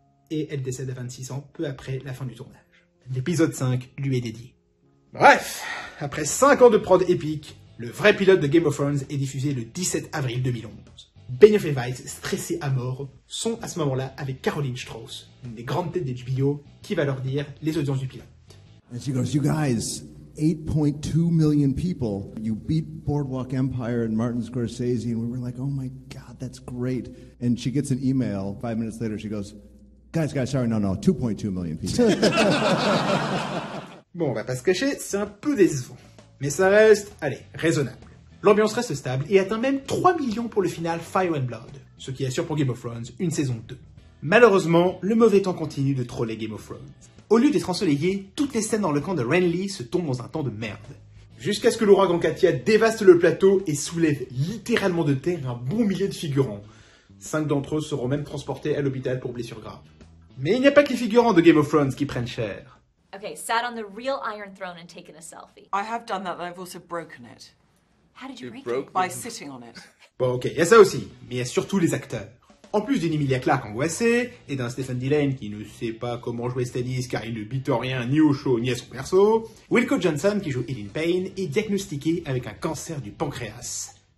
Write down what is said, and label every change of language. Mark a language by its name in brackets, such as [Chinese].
[French] Et elle décède à 26 ans, peu après la fin du tournage. L'épisode 5 lui est dédié. Bref, après 5 ans de prod épique, le vrai pilote de Game of Thrones est diffusé le 17 avril 2011. Benioff et Weiss, stressés à mort, sont à ce moment-là avec Caroline Strauss, une des grandes têtes d'HBO, qui va leur dire les audiences du pilote. [English] And she goes, you guys, 8.2 million people, you beat Boardwalk Empire and Martin Scorsese, and we were like, oh my god, that's great. And she gets an email, 5 minutes later, she goes, guys, sorry, no, 2.2 million people. [French] Bon, on va pas se cacher, c'est un peu décevant. Mais ça reste, allez, raisonnable. L'ambiance reste stable et atteint même 3 millions pour le final Fire and Blood, ce qui assure pour Game of Thrones une saison 2. Malheureusement, le mauvais temps continue de troller Game of Thrones. Au lieu d'être ensoleillé, toutes les scènes dans le camp de Renly se tombent dans un temps de merde. Jusqu'à ce que l'ouragan Katia dévaste le plateau et soulève littéralement de terre un bon millier de figurants. 5 d'entre eux seront même transportés à l'hôpital pour blessures graves. Mais il n'y a pas que les figurants de Game of Thrones qui prennent cher. [English] Ok, sat on the real Iron Throne and taken a selfie. I have done that, but I've also broken it. How did you break it? By sitting on it. [French] Bon ok, il y a ça aussi, mais il y a surtout les acteurs. En plus d'une Emilia Clarke angoissée, et d'un Stephen Delane qui ne sait pas comment jouer Stannis car il ne bite rien ni au show ni à son perso, Wilco Johnson, qui joue Eileen Payne, est diagnostiqué avec un cancer du pancréas.